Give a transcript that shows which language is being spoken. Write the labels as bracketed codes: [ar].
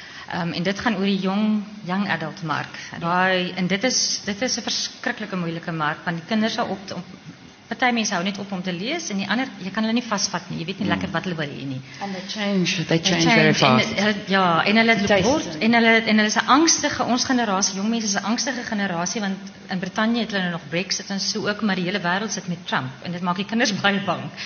[af] En dit gaan oor die young adult mark. Dit is 'n verskriklike moeilike mark want die kinders sal op party mense hou net op om te lees en die ander jy kan hulle nie vasvat nie. Jy weet nie lekker wat hulle wil hê nie. [en] And they change very fast. [af] En hulle is 'n angstige ons generasie. Jong mense is 'n angstige generasie want in Brittanje het hulle nog Brexit en so ook maar die hele wêreld sit met Trump en dit maak die kinders baie bang.